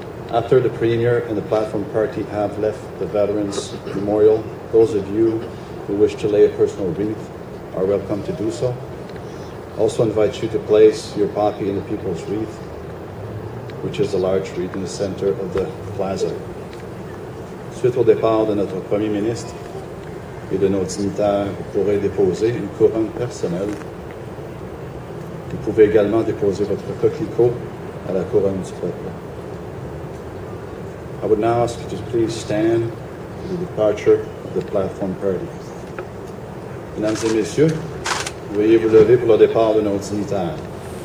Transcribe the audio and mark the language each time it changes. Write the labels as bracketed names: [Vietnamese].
[English] After the Premier and the Platform Party have left the Veterans Memorial, those of you who wish to lay a personal wreath are welcome to do so. Also invite you to place your poppy in the People's Wreath, which is a large wreath in the center of the plaza. [French] Suite au départ de notre premier ministre et de nos dignitaires, vous pourrez déposer une couronne personnelle. Vous pouvez également déposer votre coquelicot à la couronne du peuple. [English] I would now ask you to please stand for the departure of the Platform Party. [French] Mesdames et messieurs, veuillez vous lever pour le départ de nos dignitaires.